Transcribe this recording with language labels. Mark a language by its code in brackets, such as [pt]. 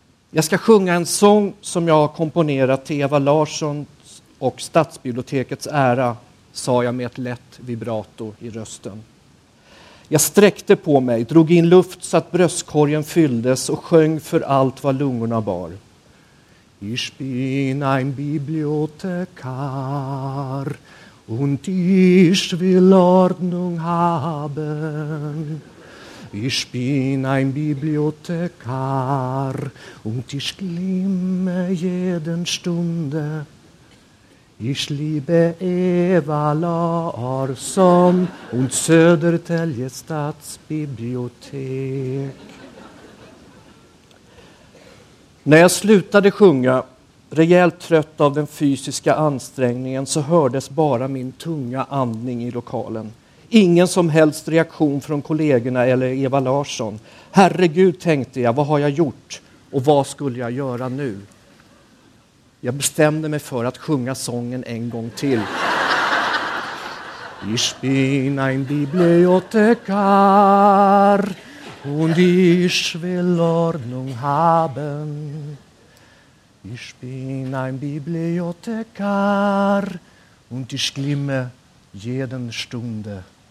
[sv] Jag ska sjunga en sång som jag har komponerat till Eva Larsson och stadsbibliotekets ära, sa jag med ett lätt vibrato i rösten. Jag sträckte på mig, drog in luft så att bröstkorgen fylldes och sjöng för allt vad lungorna bar. [de] Ich bin ein Bibliothekar und ich will Ordnung haben. Ich bin ein Bibliothekar und ich glimme jeden Stunde. Ich liebe Eva Larsson und Södertälje stadsbibliotek. [sv] När jag slutade sjunga, rejält trött av den fysiska ansträngningen, så hördes bara min tunga andning i lokalen. Ingen som helst reaktion från kollegorna eller Eva Larsson. Herregud, tänkte jag, vad har jag gjort? Och vad skulle jag göra nu? Jag bestämde mig för att sjunga sången en gång till. [de] Ich bin ein Bibliothekar und ich will Ordnung haben. Ich bin ein Bibliothekar und ich glimme jeden Stunde.